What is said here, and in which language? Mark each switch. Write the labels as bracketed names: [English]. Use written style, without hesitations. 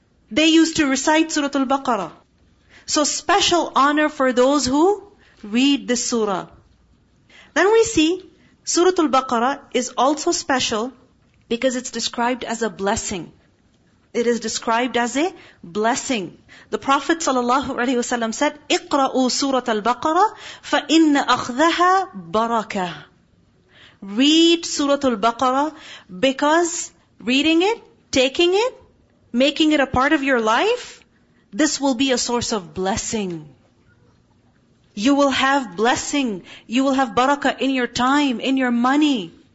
[English] They used to recite Surah Al-Baqarah. So special honor for those who read this surah. Then we see Surah Al-Baqarah is also special because it's described as a blessing. It is described as a blessing. The Prophet ﷺ said, [Arabic] اقرأوا سورة البقرة فإن أخذها بركة. [English] Read Surah Al-Baqarah because reading it, taking it, making it a part of your life, this will be a source of blessing. You will have blessing. You will have barakah in your time, in your money.